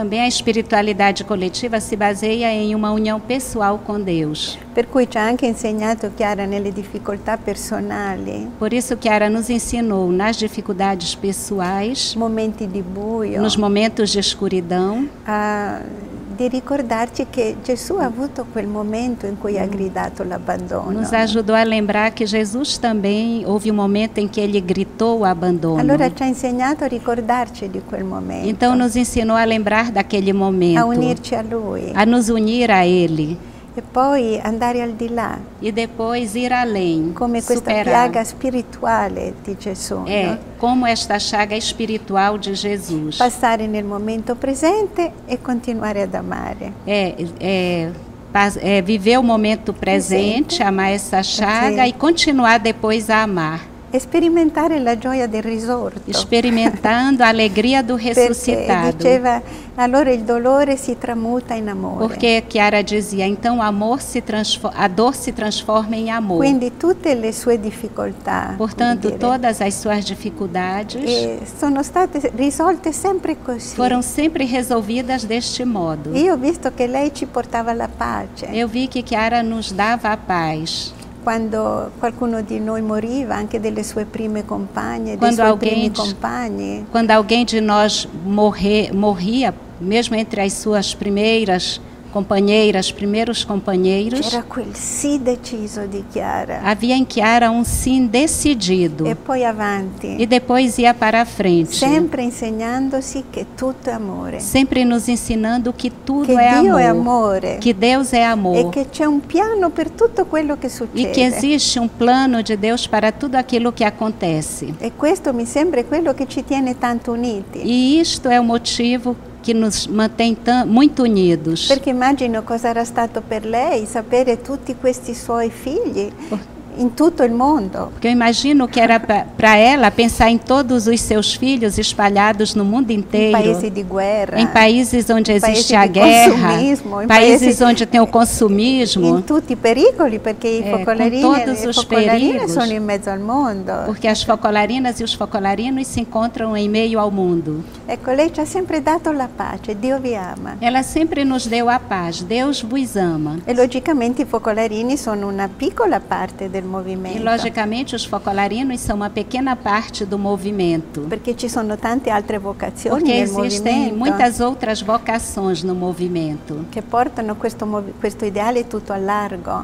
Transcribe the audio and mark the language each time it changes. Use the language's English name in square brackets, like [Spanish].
[Portuguese] Também a espiritualidade coletiva se baseia em uma união pessoal com Deus. [Italian] Per cui ci ha anche insegnato Chiara nelle difficoltà personali. [Portuguese] Por isso Chiara nos ensinou nas dificuldades pessoais, [Italian] momenti di buio, [Portuguese] nos momentos de escuridão, [Italian] di ricordarci che Gesù ha avuto quel momento in cui ha gridato l'abbandono. [Portuguese] Nos ajudou a lembrar que Jesus também houve um momento em que ele gritou o abandono. [Italian] Allora ci ha insegnato a ricordarci di quel momento. [Portuguese] Então nos ensinou a lembrar daquele momento. [Italian] A unirci a lui. [Portuguese] A nos unir a ele. [Italian] E poi andare al di là. [Portuguese] E depois ir além. [Italian] Come questa piaga spirituale di Gesù. [Portuguese] É, como esta chaga espiritual de Jesus. [Italian] Passare nel momento presente e continuare ad amare. [Portuguese] É viver o momento presente, amar essa chaga e continuar depois a amar. [Italian] Experimentare la gioia del risorto. [Portuguese] Experimentando a alegria do ressuscitado. [Italian] Perché diceva Allora il dolore si tramuta in amore. [Portuguese] Perché Chiara dizia, então amor se transforma, a dor se transforma em amor. [Italian] Quindi tutte le sue difficoltà. [Portuguese] Portanto, todas as suas dificuldades [Italian] sono state risolte sempre così. [Portuguese] Foram sempre resolvidas deste modo. [Italian] Io ho visto che lei ci portava la pace. [Portuguese] Eu vi que Chiara nos dava a paz. [Italian] Quando qualcuno di noi moriva, anche delle sue prime compagne, quando dei suoi primi compagni. [Portuguese] Quando alguém de nós morria, mesmo entre as suas primeiras companheiras, primeiros companheiros. [Italian] Era quel sì deciso di Chiara. [Portuguese] Havia em Chiara um sim decidido. [Italian] E poi avanti. [Portuguese] E depois ia para a frente. [Italian] Sempre insegnandosi che tutto è amore. [Portuguese] Sempre nos ensinando que tudo [Italian] che [Portuguese] é [Italian] Dio [Portuguese] amor. [Italian] È amore. [Portuguese] Que Deus é amor. [Italian] E che c'è un piano per tutto quello che succede. [Portuguese] E que existe um plano de Deus para tudo aquilo que acontece. [Italian] E questo mi sembra quello che ci tiene tanto uniti. [Portuguese] E isto é o motivo que nos mantém muito unidos. Porque imagino [Italian] cosa era stato per lei sapere tutti questi suoi figli in tutto il mondo. [Portuguese] Porque eu imagino que era para ela pensar em todos os seus filhos espalhados no mundo inteiro. Em países de guerra. Em países onde existe a guerra. Países onde tem o consumismo. [Italian] Em tutti i pericoli, perché i focolarini, [Portuguese] todos os perigos. [Italian] Sono in mezzo al mondo. [Portuguese] Porque as focolarinas e os focolarinos se encontram em meio ao mundo. [Italian] Ecco, lei ci ha sempre dato la pace, Dio vi ama. [Portuguese] Ela sempre nos deu a paz, Deus vos ama. [Italian] E logicamente i focolarini sono una piccola parte del movimento. [Portuguese] E logicamente os focolarinos são uma pequena parte do movimento. [Italian] Perché ci sono tante altre vocazioni [Portuguese] Porque [Italian] nel movimento. Perché [Portuguese] existem muitas outras vocações no movimento. [Italian] Che portano questo ideale tutto a largo.